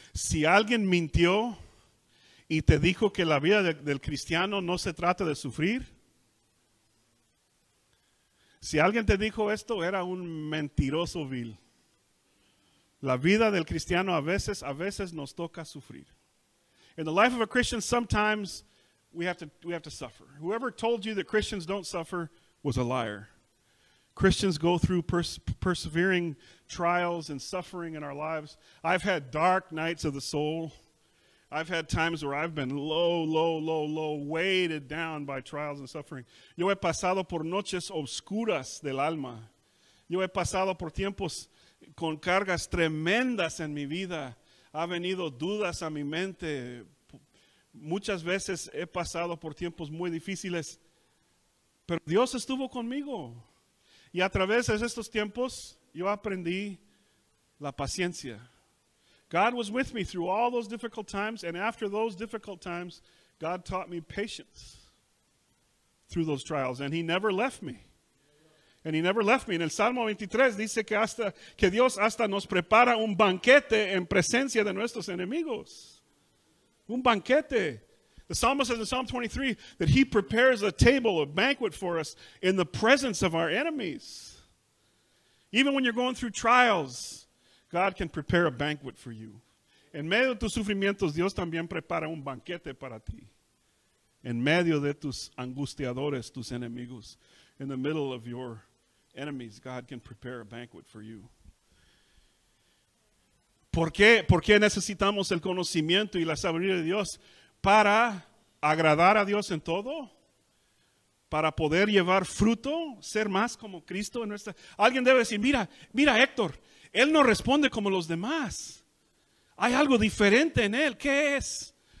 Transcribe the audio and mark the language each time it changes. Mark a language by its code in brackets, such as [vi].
[es] Si alguien mintió y te dijo que la vida del cristiano no se trata de sufrir. Si alguien te dijo esto, era un mentiroso vil. La vida del cristiano a veces nos toca sufrir. [en] In the life of a Christian, sometimes we have to suffer. Whoever told you that Christians don't suffer was a liar. Christians go through persevering trials and suffering in our lives. I've had dark nights of the soul. I've had times where I've been low, weighted down by trials and suffering. [es] Yo he pasado por noches oscuras del alma. Yo he pasado por tiempos con cargas tremendas en mi vida. Ha venido dudas a mi mente. Muchas veces he pasado por tiempos muy difíciles. Pero Dios estuvo conmigo. Y a través de estos tiempos, yo aprendí la paciencia. [en] God was with me through all those difficult times, and after those difficult times, God taught me patience through those trials, and he never left me. And he never left me. [es] En el Salmo 23 dice que Dios hasta nos prepara un banquete en presencia de nuestros enemigos. Un banquete. [en] The psalmist says in Psalm 23 that he prepares a table, a banquet for us in the presence of our enemies. Even when you're going through trials, God can prepare a banquet for you. [es] En medio de tus sufrimientos, Dios también prepara un banquete para ti. En medio de tus angustiadores, tus enemigos. [en] In the middle of your enemies, God can prepare a banquet for you. [es] ¿Por qué necesitamos el conocimiento y la sabiduría de Dios? Para agradar a Dios en todo. Para poder llevar fruto, ser más como Cristo en nuestra. Alguien debe decir, mira Héctor. Él no responde como los demás. Hay algo diferente en él. ¿Qué es?